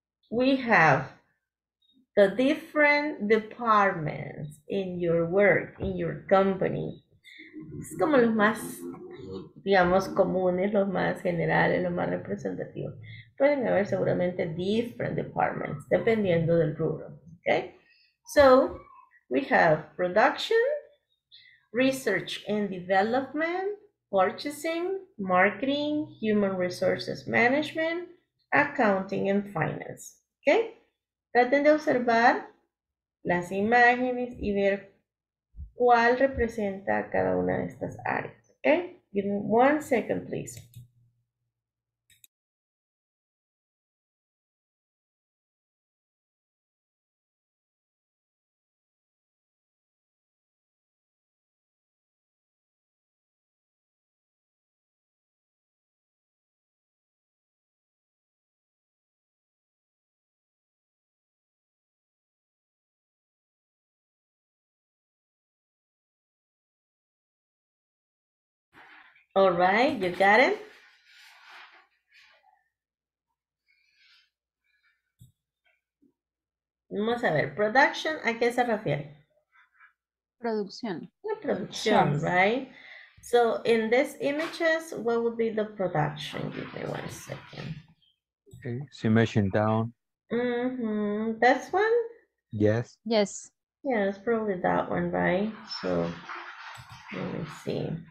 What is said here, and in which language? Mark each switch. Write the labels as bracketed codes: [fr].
[en] We have the different departments in your work, in your company. [es] Es como los más, digamos, comunes, los más generales, los más representativos. Pueden haber seguramente different departments, dependiendo del rubro, okay? [en] So, we have production, research and development, purchasing, marketing, human resources management, accounting and finance, okay? [es] Traten de observar las imágenes y ver cuál representa cada una de estas áreas, okay? [en] Give me one second, please. All right, you got it? [es] Vamos a ver, production, ¿a qué se refiere? Producción. Producción, right? [en] So in these images, what would be the production? Give me 1 second. Okay, summation down. Mm-hmm. This one? Yes. Yes. Yeah, it's probably that one, right? So let me see.